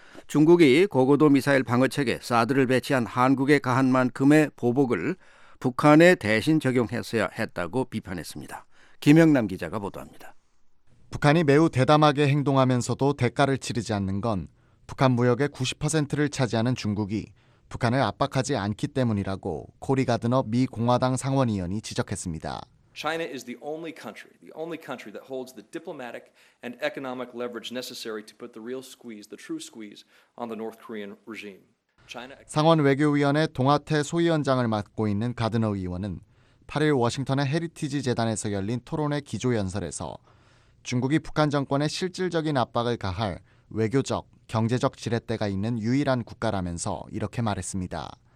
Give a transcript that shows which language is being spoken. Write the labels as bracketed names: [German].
[Korean] 중국이 고고도 미사일 방어체계 사드를 배치한 한국에 가한 만큼의 보복을 북한에 대신 적용했어야 했다고 비판했습니다. 김영남 기자가 보도합니다. 북한이 매우 대담하게 행동하면서도 대가를 치르지 않는 건 북한 무역의 90%를 차지하는 중국이 북한을 압박하지 않기 때문이라고 코리 가드너 미 공화당 상원의원이 지적했습니다. [English] China is the only country, the only country that holds the diplomatic and economic leverage necessary to put the real squeeze, the true squeeze on the North Korean regime. [Korean] China 상원 외교위원회 동아태 소위원장을 맡고 있는 가드너 의원은 8일 워싱턴의 헤리티지 재단에서 열린 토론회 기조 연설에서 중국이 북한 정권에 실질적인 압박을 가할 외교적, 경제적 지렛대가 있는 유일한 국가라면서 이렇게 말했습니다.